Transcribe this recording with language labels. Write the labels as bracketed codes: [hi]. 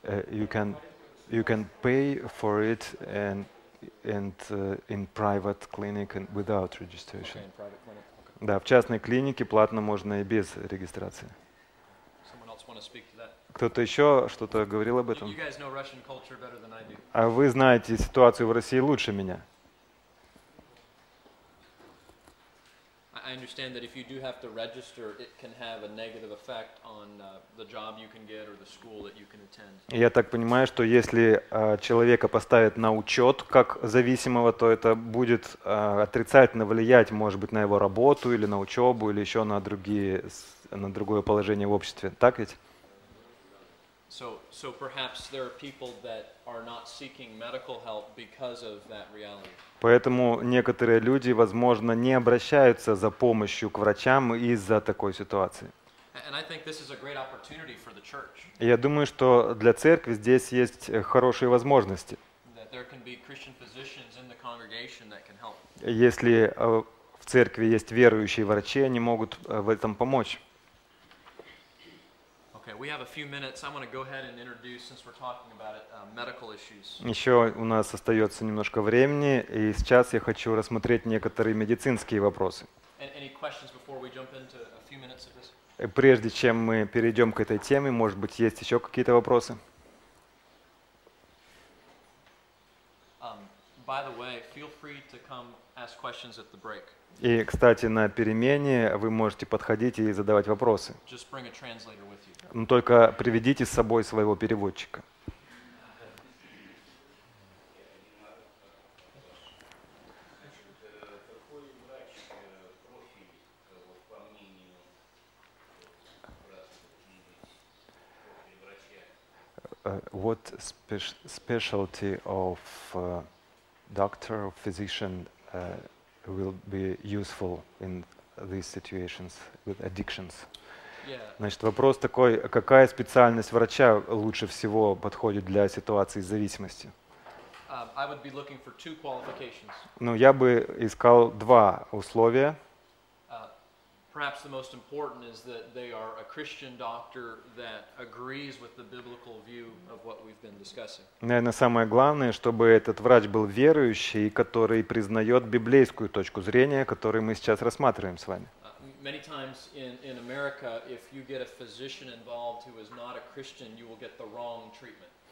[en] You can pay for it in private clinic and without registration. Okay, in private clinic. Okay. [ru] Да, в частной клинике платно можно и без регистрации. [en] Someone else want to speak to that? [ru] Кто-то еще что-то говорил об этом? [en] You guys know Russian culture better than I do. [ru] А вы знаете ситуацию в России лучше меня? [en] I understand that if you do have to register, it can have a negative effect on the job you can get or the school that you can attend. [ru] Я так понимаю, что если человека поставят на учет как зависимого, то это будет отрицательно влиять, может быть, на его работу или на учебу или еще на другие, на другое положение в обществе. Так ведь? [en] So perhaps there are people that are not seeking medical help because of that reality. [ru] Поэтому некоторые люди, возможно, не обращаются за помощью к врачам из-за такой ситуации. [en] And I think this is a great opportunity for the church. [ru] Я думаю, что для церкви здесь есть хорошие возможности. [en] That there can be Christian physicians in the congregation that can help. [ru] Если в церкви есть верующие врачи, они могут в этом помочь. [en] Okay, we have a few minutes. I want to go ahead and introduce, since we're talking about it, medical issues. [ru] Еще у нас остается немножко времени, и сейчас я хочу рассмотреть некоторые медицинские вопросы. [en] Any questions before we jump into a few minutes of this? [ru] Прежде чем мы перейдем к этой теме, может быть, есть еще какие-то вопросы? [en] By the way, feel free to come ask questions at the break. [ru] И, кстати, на перемене вы можете подходить и задавать вопросы. [en] Just bring a translator with you. [ru] Но только приведите с собой своего переводчика. [en] What specialty of doctor or physician will be useful in these situations with addictions? Yeah. [ru] Значит, вопрос такой: какая специальность врача лучше всего подходит для ситуации зависимости? [en] I would be looking for two qualifications. [ru] Ну, я бы искал два условия. [en] Perhaps the most important is that they are a Christian doctor that agrees with the biblical view of what we've been discussing. [ru] Наверное, самое главное, чтобы этот врач был верующий, который признает библейскую точку зрения, которую мы сейчас рассматриваем с вами. [en] Many times in America, if you get a physician involved who is not a Christian, you will get the wrong treatment.